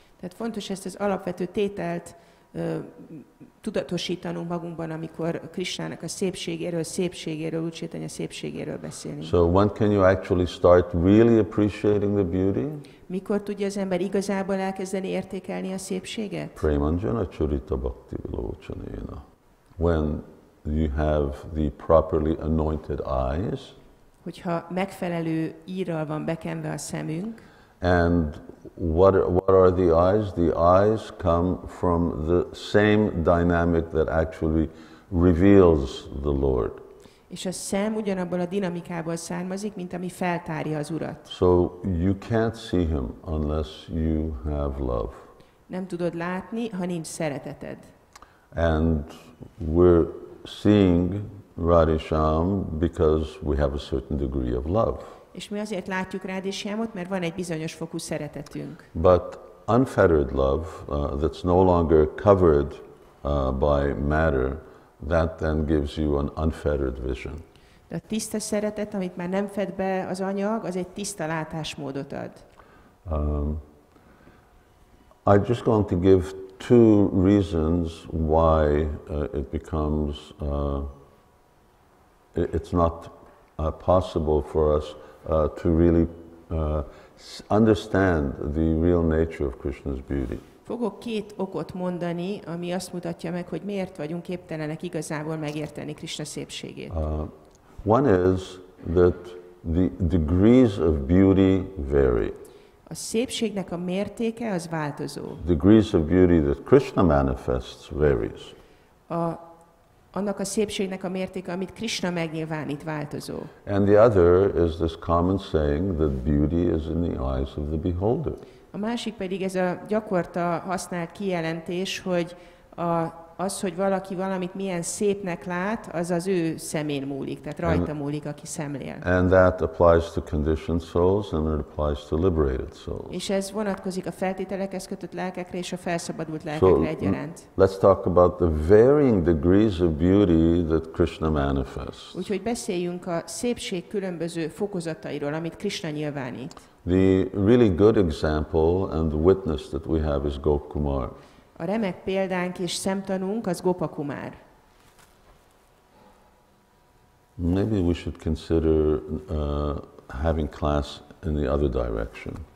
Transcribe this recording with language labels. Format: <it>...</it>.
<hu>Tehát fontos ezt az alapvető tételt tudatosítanunk magunkban, amikor Krishnának a szépségéről, Úr Chaitanya szépségéről beszélünk.</hu> <en>So when can you actually start really appreciating the beauty?</en> <hu>Mikor tudja az ember igazából elkezdeni értékelni a szépséget?</hu> <sa>Premanjana Charita Bhakti Vilochanena.</sa> <en>When you have the properly anointed eyes,</en> <hu>hogyha megfelelő írral van bekenve a szemünk.</hu> <en>And what are the eyes? The eyes come from the same dynamic that actually reveals the Lord.</en> <hu>És a szem ugyanabból a dinamikából származik, mint ami feltárja az Urat.</hu> <en>So you can't see him unless you have love.</en> <hu>Nem tudod látni, ha nincs szereteted.</hu> <en>And we're seeing Radhisham because we have a certain degree of love.</en> <hu>És mi azért látjuk Radhisyamot, mert van egy bizonyos fokú szeretetünk.</hu> <en>But unfettered love that's no longer covered by matter, that then gives you an unfettered vision.</en> <hu>De a tiszta szeretet, amit már nem fed be az anyag, az egy tiszta látásmódot ad.</hu> <en>I'm just going to give two reasons why it becomes it's not possible for us to really understand the real nature of Krishna's beauty.</en> <hu>Fogok két okot mondani, ami azt mutatja meg, hogy miért vagyunk képtelenek igazából megérteni Krishna szépségét.</hu> <en>One is that the degrees of beauty vary.</en> <hu>A szépségnek a mértéke az változó.</hu> <en>Degrees of beauty that Krishna manifests varies.</en> <hu>Annak a szépségnek a mértéke, amit Krishna megnyilvánít, változó.</hu> <en>And the other is this common saying that beauty is in the eyes of the beholder.</en> <hu>A másik pedig ez a gyakorta használt kijelentés, hogy az, hogy valaki valamit milyen szépnek lát, az az ő szemén múlik, tehát rajta múlik, aki szemlél.</hu> <en>And that applies to conditioned souls and it applies to liberated souls.</en> <hu>És ez vonatkozik a feltételekhez kötött lelkekre és a felszabadult lelkekre egyaránt.</hu> <en>So, let's talk about the varying degrees of beauty that Krishna manifests.</en> <hu>Úgyhogy beszéljünk a szépség különböző fokozatairól, amit Krishna nyilvánít.</hu> <en>The really good example and the witness that we have is Gopkumar.</en> <hu>A remek példánk és szemtanunk az Gopakumar.</hu> <en>Maybe we should consider having class in the other direction.</en>